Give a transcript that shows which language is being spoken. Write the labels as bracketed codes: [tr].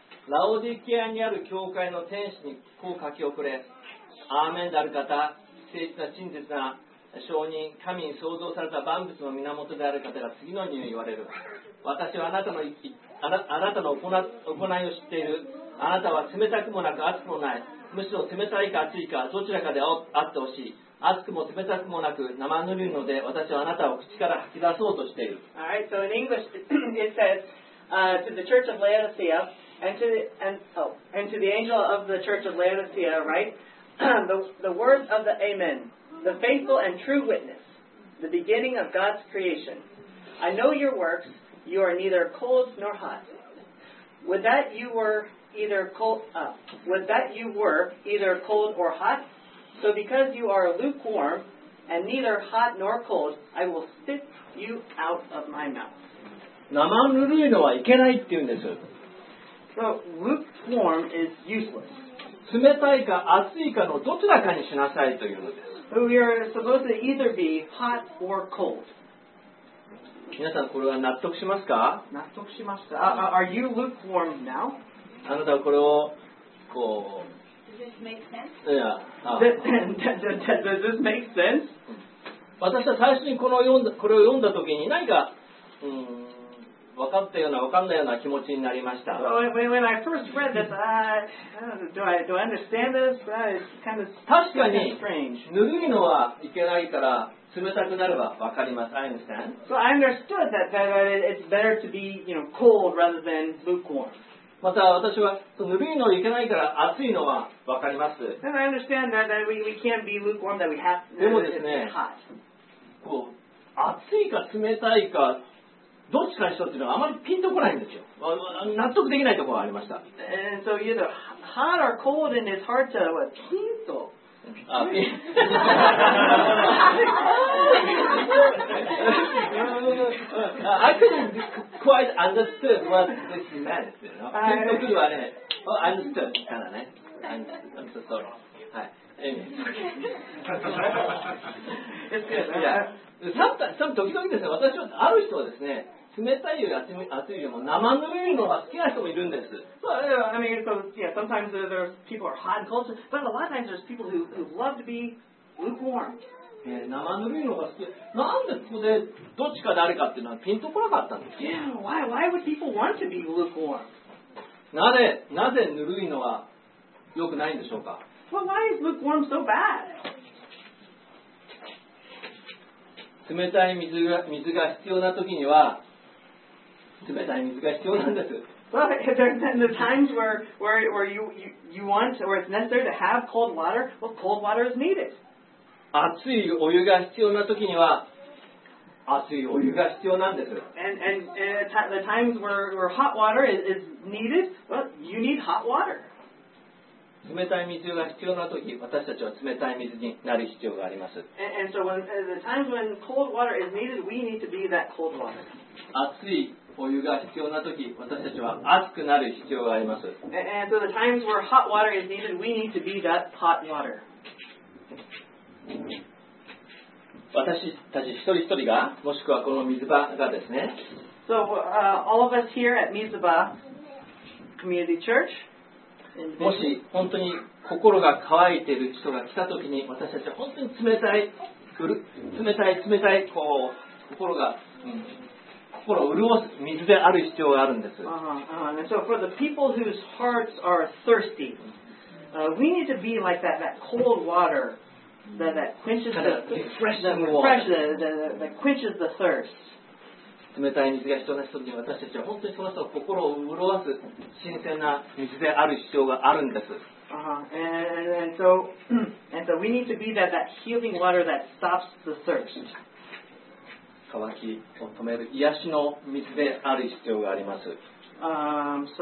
[ja] ラオディケアにある教会の天使にこう書き送れ、アーメンである方、誠実な真実な証人、神に創造された万物の源である方が次のように言われる。私はあなたの行いを知っている。あなたは冷たくもなく熱くもない、むしろ冷たいか熱いかどちらかであってほしい。熱くも冷たくもなく生ぬるいので、私はあなたを口から吐き出そうとしている。 [en] Alright, so in English it says、to the church of Laodicea and to the angel of the church of Laodicea, write the word of the Amen, the faithful and true witness, the beginning of God's creation. I know your works; you are neither cold nor hot. Would that you were either cold or hot? So because you are lukewarm and neither hot nor cold, I will spit you out of my mouth. [ja] 生ぬるいのはいけないって言うんです。 [en] So, lukewarm is useless. [ja] 冷たいか熱いかのどちらかにしなさいというのです。 [en] We are supposed to either be hot or cold. [ja] 皆さんこれは納得しますか？納得しました。 [en] Are you lukewarm now? [ja] あなたはこれをこう。 [en] Does this make sense? Yeah. Does this make sense? [ja] 私は最初にこれを読んだときに何か、分かったような分かんないような気持ちになりました。 [en] When I first read this, do I understand this? It's kind of strange. [ja] 確かに、ぬるいのはいけないから、冷たくなれば分かります。 [en] I understand. So I understood that it's better to be, you know, cold rather than lukewarm. [ja] また私は、ぬるいのはいけないから、熱いのは分かります。 [en] And I understand that we can't be lukewarm, that we have to be hot. [ja] でもですね、こう、熱いか冷たいか、どっちかにしろっていうのはあまりピンとこないんですよ。納得できないところがありました。 [en] And so either hot or cold and it's hard to what? [ja] ピンと。あ、ピン。 [en] I couldn't quite understood what this meant. [ja] ピンとくるはね、 [en] oh, understood [ja] からね。 [en] I'm so sorry. [ja] はい。 [en] It's good. Sometimes [ja] 時々ですね、私はある人はですね、冷たいよ、熱いよ、生ぬるいのが好きな人もいるんです。 [en] So, I mean, so, yeah, sometimes there's people are hot and cold, but a lot of times there's people who love to be lukewarm. [ja] 生ぬるいのが好き。なんでここでどっちか誰かっていうのはピンとこなかったんですか？ [en] Yeah, why would people want to be lukewarm? [ja] なぜぬるいのは良くないんでしょうか？ [en] Well, why is lukewarm so bad? [ja] 冷たい水が必要なときには、冷たい水が必要なんです。 [en] Well, in the times where you want or it's necessary to have cold water, well, cold water is needed. [ja] 熱いお湯が必要なときには、熱いお湯が必要なんです。 [en] And the times where hot water is needed, well, you need hot water. [ja] 冷たい水が必要な時、私たちは冷たい水になる必要があります。 [en] And so when the times when cold water is needed, we need to be that cold water. [ja] 熱いお湯が必要な時、私たちは熱くなる必要があります。 [en] And so the times where hot water is needed, we need to be that hot water. [ja] 私たち一人一人が、もしくはこの水場がですね。 [en] So, all of us here at Mizuba Community Church, [ja] もし本当に心が乾いている人が来た時に、私たちは本当に冷たい、冷たい、こう、心が、うん、 [en] So for the people whose hearts are thirsty, we need to be like that cold water that quenches the thirst. [ja] 冷たい水が必要な人に私たちは本当にその人の心を潤わす新鮮な水である必要があるんです。 [en] And so we need to be that healing water that stops the thirst. [ja] 乾きを止める癒しの水である必要があります。